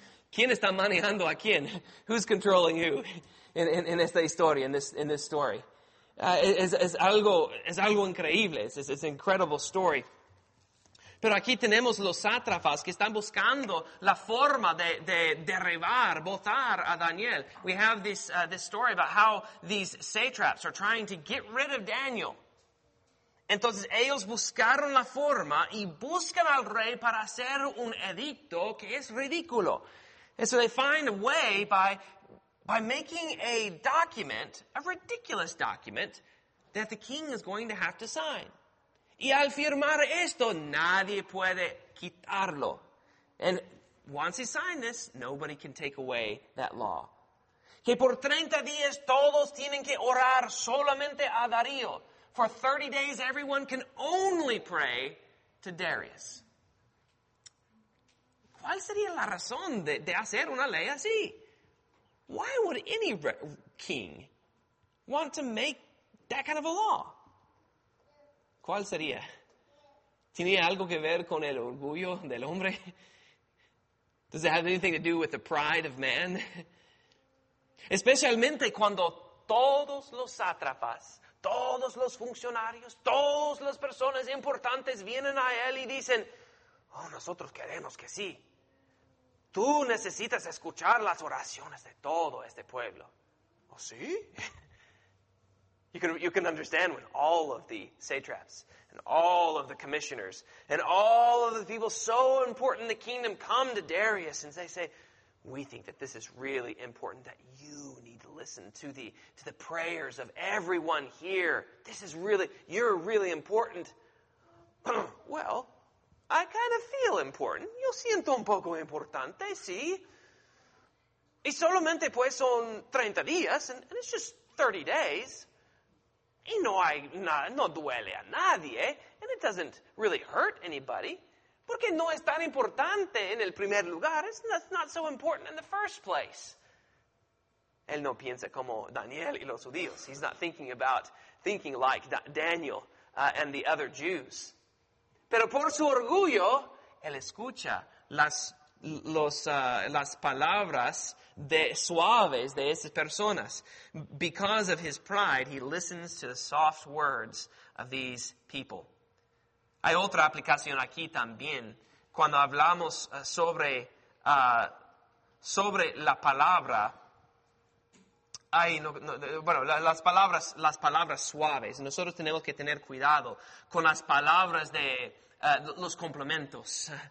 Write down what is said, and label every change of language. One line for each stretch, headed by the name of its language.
Spanish: ¿Quién está manejando a quién?
English: Who's controlling who?
Spanish: En esta historia,
English: in this story.
Spanish: Es algo increíble.
English: It's an incredible story.
Spanish: Pero aquí tenemos los sátrapas que están buscando la forma de derribar, botar a Daniel.
English: We have this story about how these satraps are trying to get rid of Daniel.
Spanish: Entonces ellos buscaron la forma y buscan al rey para hacer un edicto que es ridículo.
English: And so they find a way by making a document, a ridiculous document, that the king is going to have to sign.
Spanish: Y al firmar esto, nadie puede quitarlo.
English: And once he signed this, nobody can take away that law.
Spanish: Que por 30 días todos tienen que orar solamente a Darío.
English: For 30 days, everyone can only pray to Darius.
Spanish: ¿Cuál sería la razón de hacer una ley así?
English: Why would any king want to make that kind of a law?
Spanish: ¿Cuál sería? ¿Tiene algo que ver con el orgullo del hombre?
English: Does it have anything to do with the pride of man?
Spanish: Especialmente cuando todos los sátrapas, todos los funcionarios, todas las personas importantes vienen a él y dicen, oh, nosotros queremos que sí. Tú necesitas escuchar las oraciones de todo este pueblo. ¿Oh, sí?
English: You can understand when all of the satraps and all of the commissioners and all of the people so important in the kingdom come to Darius and they say, we think that this is really important that you need to listen to the prayers of everyone here. This is really, you're really important. Well, I kind of feel important.
Spanish: Yo siento un poco importante, sí. Y solamente pues son 30 días,
English: and it's just 30 days.
Spanish: Y no duele a nadie,
English: and it doesn't really hurt anybody.
Spanish: Porque no es tan importante en el primer lugar.
English: It's not so important in the first place.
Spanish: Él no piensa como Daniel y los judíos.
English: He's not thinking like Daniel and the other Jews.
Spanish: Pero por su orgullo, él escucha las palabras de suaves de esas personas.
English: Because of his pride, he listens to the soft words of these people.
Spanish: Hay otra aplicación aquí también. Cuando hablamos sobre la palabra, las palabras suaves. Nosotros tenemos que tener cuidado con las palabras de los complementos.